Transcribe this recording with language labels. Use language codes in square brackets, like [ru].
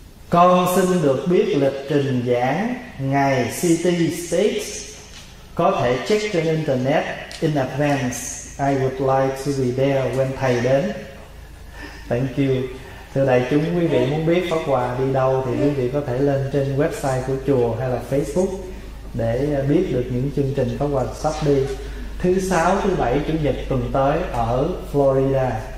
[vi] Con xin được biết lịch trình giảng ngày CT 6, có thể check trên internet [en] in advance. I would like to be there when [vi] thầy đến. [en] Thank you. [vi] Thưa đại chúng, quý vị muốn biết Pháp Hòa đi đâu thì quý vị có thể lên trên website của chùa hay là Facebook để biết được những chương trình Pháp Hòa sắp đi. Thứ 6, thứ 7, chủ nhật tuần tới ở Florida.